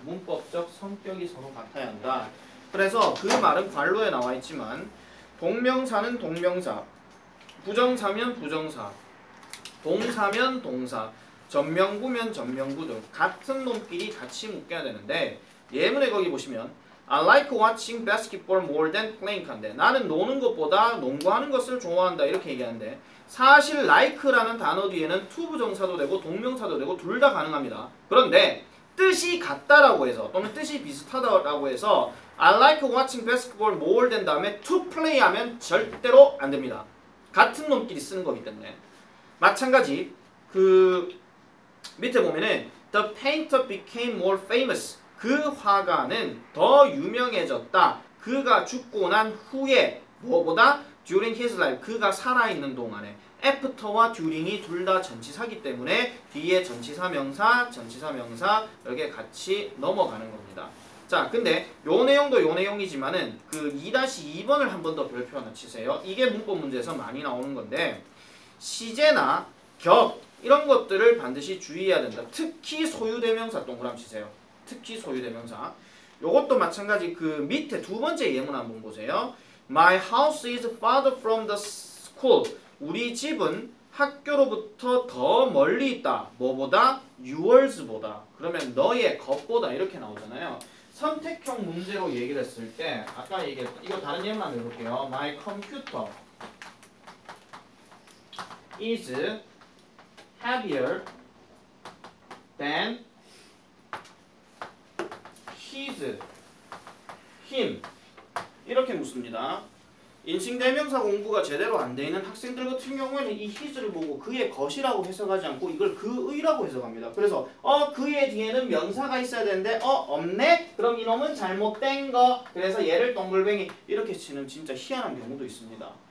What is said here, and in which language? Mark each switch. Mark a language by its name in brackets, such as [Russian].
[Korean] 문법적 성격이 서로 같아야 한다. 그래서 그 말은 관로에 나와 있지만 동명사는 동명사, 부정사면 부정사, 동사면 동사, 전명구면 전명구 등 같은 놈끼리 같이 묶여야 되는데, 예문에 거기 보시면 I like watching basketball more than playing. 한데 나는 노는 것보다 농구하는 것을 좋아한다 이렇게 얘기하는데, 사실 like라는 단어 뒤에는 to 부정사도 되고 동명사도 되고 둘 다 가능합니다. 그런데 뜻이 같다라고 해서 또는 뜻이 비슷하다라고 해서 [English] I like watching basketball more than 다음에 to play 하면 절대로 안 됩니다. [Korean] 같은 놈끼리 쓰는 거기 때문에. 마찬가지 그 밑에 보면은 The painter became more famous. 그 화가는 더 유명해졌다. 그가 죽고 난 후에 뭐보다 during his life 그가 살아있는 동안에 after와 during이 둘 다 전치사기 때문에 뒤에 전치사명사, 전치사명사 이렇게 같이 넘어가는 겁니다. 자, 근데 요 내용도 요 내용이지만은 그 2-2번을 한 번 더 별표 하나 치세요. 이게 문법 문제에서 많이 나오는 건데 시제나 격 이런 것들을 반드시 주의해야 된다. 특히 소유대명사 동그라미 치세요. 특히 소유대명사. 요것도 마찬가지 그 밑에 두 번째 예문 한번 보세요. [English] My house is farther from the school. [Korean] 우리 집은 학교로부터 더 멀리 있다. 뭐보다? yours보다. 그러면 너의 것보다 이렇게 나오잖아요. 선택형 문제로 얘기를 했을 때 아까 얘기했던 이거 다른 예문 한번 해볼게요. [English] My computer is heavier than his, him 이렇게 묻습니다. [Korean] 인칭대명사 공부가 제대로 안 되는 학생들 같은 경우에는 이 his를 보고 그의 것이라고 해석하지 않고 이걸 그의라고 해석합니다. 그래서 그의 뒤에는 명사가 있어야 되는데 없네? 그럼 이놈은 잘못된 거. 그래서 얘를 동글뱅이 이렇게 치는 진짜 희한한 경우도 있습니다.